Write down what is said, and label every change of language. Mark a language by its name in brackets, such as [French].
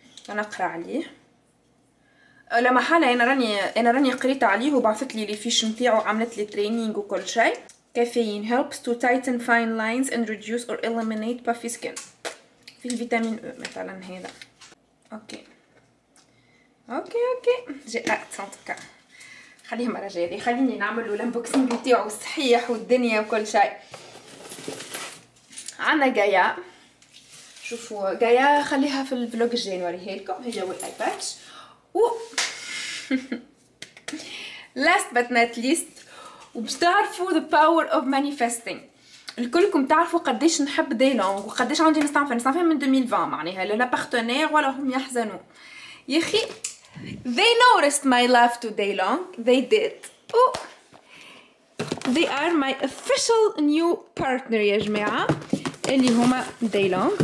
[Arabic] انا قرا عليه لا محاله، انا راني قريت عليه وبعثت لي لي فيش نتاعو، عملت لي تريننج وكل شيء. [English] Caffeine helps to tighten fine lines and reduce or eliminate puffy skin. [Arabic] في الفيتامين او مثلا هذا. اوكي اوكي اوكي جي اتنتك، خليه مرة جاية لي، خليني نعمل له الانبوكسينغ نتاعو الصحيح والدنيا وكل شيء. عنا جايا، شوفوا جايا خليها في الفلوج الجاي نوريها لكم، هي والاي باتش. و لاست بات نوت ليست، وباش تعرفوا ذا باور اوف مانيفيستينغ، الكلكم تعرفوا قديش نحب دي لونغ وقديش عندي مستعفن مستعفن من 2020 معناها لا بارتنير ولا هم يحزنوا. يا اخي [English] They noticed my love to Daylong. They did. Oh, they are my official new partner. [Arabic] يا جماعة اللي هما [English] Daylong.